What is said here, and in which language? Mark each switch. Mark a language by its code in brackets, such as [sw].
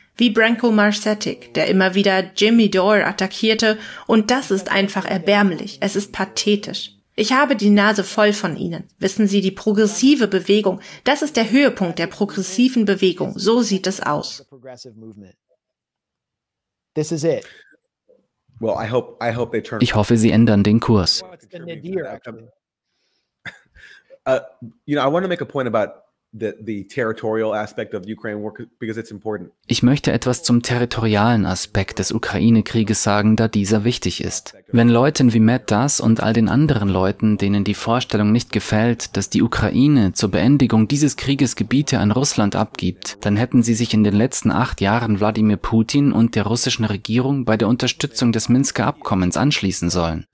[de] Wie Branko Marsetic, der immer wieder Jimmy Dore attackierte, und das ist einfach erbärmlich, es ist pathetisch. Ich habe die Nase voll von ihnen. Wissen Sie, die progressive Bewegung, das ist der Höhepunkt der progressiven Bewegung, so sieht es aus. [en] This is it. Well, I hope they turn. [de] Ich hoffe, sie ändern den Kurs. [en] I want to make a point about the territorial aspect of the Ukraine war, because it's important. [de] Ich möchte etwas zum territorialen Aspekt des Ukraine-Krieges sagen, da dieser wichtig ist. Wenn Leuten wie Matt Das und all den anderen Leuten, denen die Vorstellung nicht gefällt, dass die Ukraine zur Beendigung dieses Krieges Gebiete an Russland abgibt, dann hätten sie sich in den letzten 8 Jahren Wladimir Putin und der russischen Regierung bei der Unterstützung des Minsker Abkommens anschließen sollen.